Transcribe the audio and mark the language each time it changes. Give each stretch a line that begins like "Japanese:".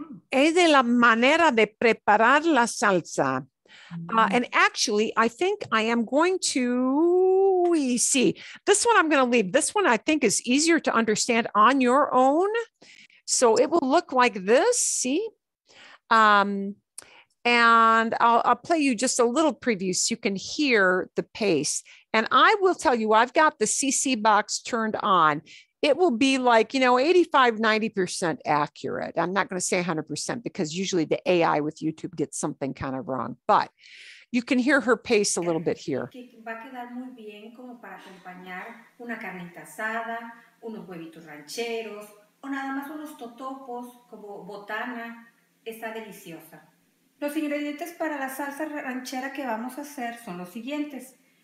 Spanish: Es de la manera de preparar la salsa.
English: And actually, I think I am going to see. This one I'm going to leave. This one I think is easier to understand on your own. So it will look like this. See? And I'll play you just a little preview so you can hear the pace. And I will tell you, I've got the CC box turned on. It will be like, you know, 85, 90% accurate. I'm not going to say 100% because usually the AI with YouTube gets something kind of wrong. But you can hear her pace a little bit here.
Spanish: Va a quedar muy bien como para acompañar una carnita asada, unos huevitos rancheros, o nada más unos totopos como botana. Está deliciosa. Los ingredientes para la salsa ranchera que vamos a hacer son los siguientes.